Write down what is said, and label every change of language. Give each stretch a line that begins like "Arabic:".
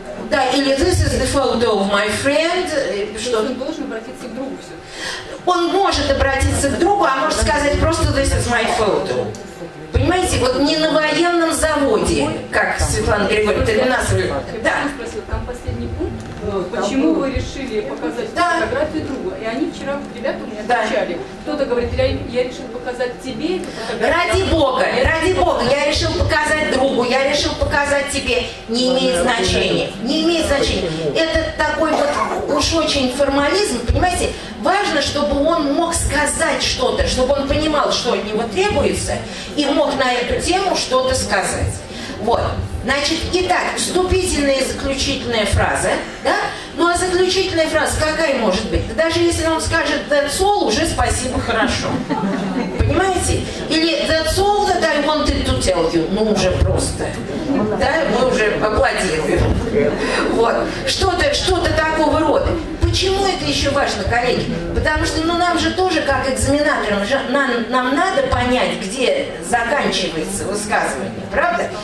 Russian: Да, или
English: this is the photo of my friend.
Russian: Что? Он должен обратиться к другу все-таки. Он может обратиться к другу, а может сказать просто
English: this is my photo.
Russian: Понимаете, вот не на военном заводе, как там, Светлана Григорьевна, ты у нас... Я спросил, там последний пункт, почему вы решили показать фотографию другу? И они вчера, ребята у меня отвечали. Кто-то говорит, я решил показать тебе эту фотографию. Ради бога, я решил показать другу, я решил показать тебе. Не имеет значения, не имеет значения. Это такой вот уж очень формализм, понимаете? Важно, чтобы он мог сказать что-то, чтобы он понимал, что от него требуется, и мог на эту тему что-то сказать. Вот. Значит, итак, вступительная и заключительная фраза, да? Ну, а заключительная фраза какая может быть? Да даже если он скажет
English: «that's all»,
Russian: уже спасибо, хорошо. Понимаете? Или
English: «that's all that I wanted to tell you».
Russian: Ну, уже просто. Да, мы уже аплодируем. Вот. Что-то такого рода. почему это еще важно, коллеги? Потому что ну, нам же тоже, как экзаменаторам, нам надо понять, где заканчивается высказывание, правда?